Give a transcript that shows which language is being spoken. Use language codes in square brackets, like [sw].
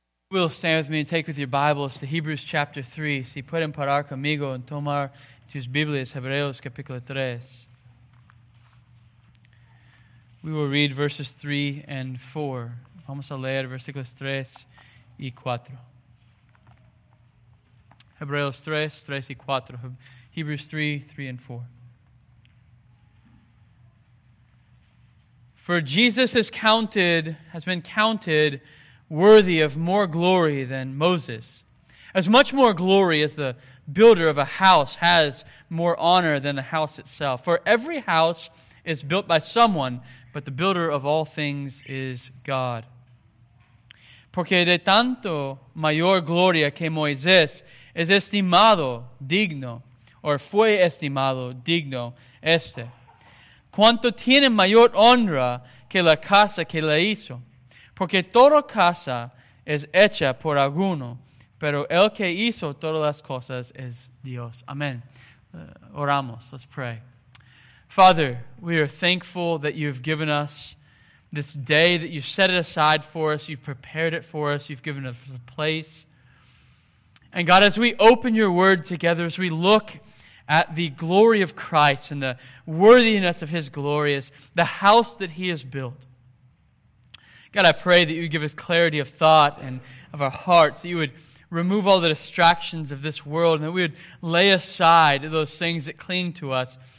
[en] Will stand with me and take with your Bibles to Hebrews chapter 3. [es] Si pueden parar conmigo y tomar tus Biblias, Hebreos capítulo 3. [en] We will read verses 3 and 4. [es] Vamos a leer versículos 3 y 4. Hebreos 3, 3 y 4. [en] Hebrews 3, 3 and 4. For Jesus is counted, has been counted worthy of more glory than Moses, as much more glory as the builder of a house has more honor than the house itself. For every house is built by someone, but the builder of all things is God. [es] Porque de tanto mayor gloria que Moisés es estimado digno, or fue estimado digno este. Cuanto tiene mayor honra que la casa que la hizo. Porque toda casa es hecha por alguno, pero el que hizo todas las cosas es Dios. [en] Amen. [es] Oramos. [en] Let's pray. Father, we are thankful that you've given us this day, that you set it aside for us, you've prepared it for us, you've given us a place. And God, as we open your word together, as we look at the glory of Christ and the worthiness of his glory, as the house that he has built, God, I pray that you would give us clarity of thought and of our hearts, that you would remove all the distractions of this world, and that we would lay aside those things that cling to us